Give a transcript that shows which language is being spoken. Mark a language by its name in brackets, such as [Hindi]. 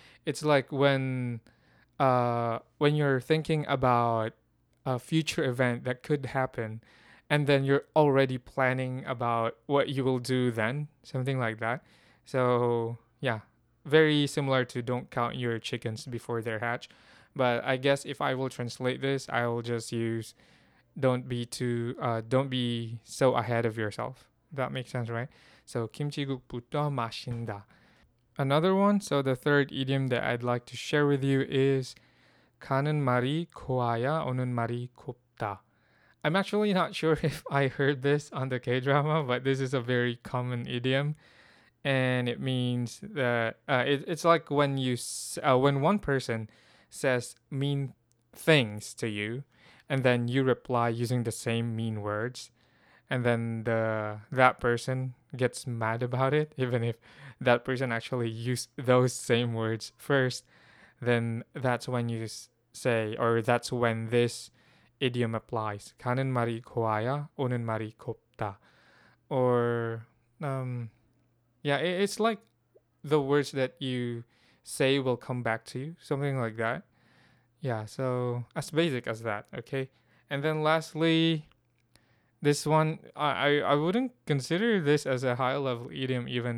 [English] It's like when you're thinking about a future event that could happen, and then you're already planning about what you will do then, something like that. So yeah, very similar to don't count your chickens before they're hatched. But I guess if I will translate this, I will just use don't be so ahead of yourself. That makes sense, right? [Korean] So 김치국부터 마신다. [English] Another one, so the third idiom that I'd like to share with you is [Korean] 가는 말이 고와야 오는 말이 곱다. [English] I'm actually not sure if I heard this on the K-drama, but this is a very common idiom. And it means that it's like when you when one person says mean things to you, and then you reply using the same mean words, and then that person gets mad about it, even if that person actually used those same words first, then that's when you say, or that's when this idiom applies. [Korean] 가는 말이 고와야 오는 말이 곱다. [English] Or, it's like the words that you say will come back to you, something like that. Yeah, so as basic as that, okay? And then lastly, this one, I wouldn't consider this as a high-level idiom even.